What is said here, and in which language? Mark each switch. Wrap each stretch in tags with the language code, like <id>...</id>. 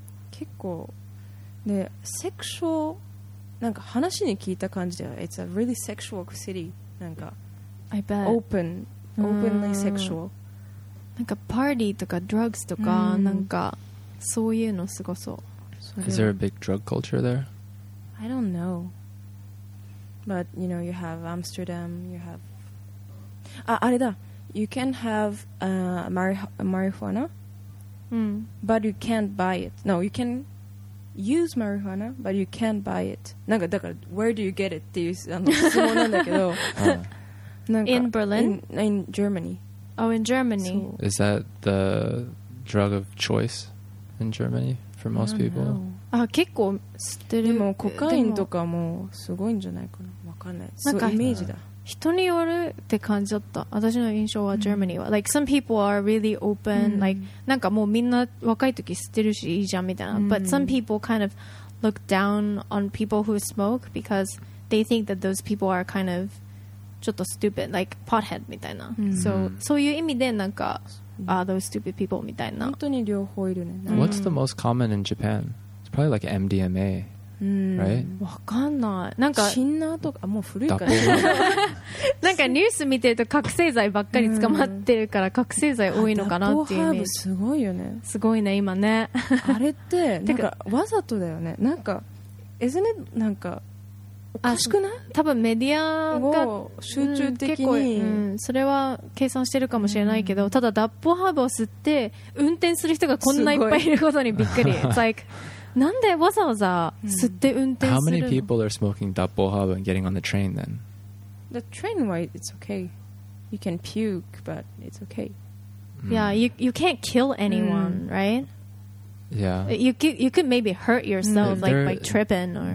<ja>結構で、セクシュアル、なんか話に聞いた感じでは、</ja> <en>It's a really sexual city.</en> <ja>なんか、</ja> <en>I bet. Open, openly sexual.</en> <ja>なんかパーティーとかドラッグスとか、なんかそういうのすごそう。</ja> <en>Is there a big drug culture there? I don't know. But, you know, you have Amsterdam, you have...</en> <ja>あ、あれだ。</ja> <en>You can have marijuana, but you can't buy it. No, you can use marijuana, but you can't buy it.</en> <ja>なんかだから、</ja> <en>where do you get it?</en> <ja>っていう質問なんだけど。</ja> <en>In Berlin? In Germany. Oh, in Germany. So, is that the drug of choice in Germany? For most people.</en> <ja>あ、結構知ってる。でもコカインとかもすごいんじゃないかな。わかんない。なんかイメージだ。人によるって感じだった。私の印象は Germany は、</ja> <en>like some people are really open, like</en> <ja>なんかもうみんな若い時知ってるしいいじゃんみたいな。</ja> <en>But some people kind of look down on people who smoke because they think that those people are kind of</en> <ja>ちょっと</ja> <en>stupid, like pothead みたいな。</en> <ja>そういう意味でなんか。</ja> <en>Those stupid people みたいな。</en> <ja>本当に両方いるね。</ja> <en>What's the most common in Japan? It's probably like MDMA, right?</en> <ja>わかんない。なんかシンナーとかもう古いから。なんかニュース見てると覚醒剤ばっかり捕まってるから覚醒剤多いのかなっていうイメージ。ダップハーブすごいよね。すごいね今ね。あれってなんかわざとだよね。なんか</ja> <en>isn't it</en> <ja>なんか。おかしくない？多分メディアが集中的に、それは計算してるかもしれないけど、ただダップハーブを吸って運転する人がこんないっぱいいることにびっくり。</ja> <en>It's like,</en> <ja>なんでわざわざ吸って運転するの？</ja> <en>How many people are smoking ダップハーブ and getting on the train then? The train ride, it's okay. You can puke, but it's okay. Yeah, you can't kill anyone, right? Yeah. You could maybe hurt yourself like by tripping or</en>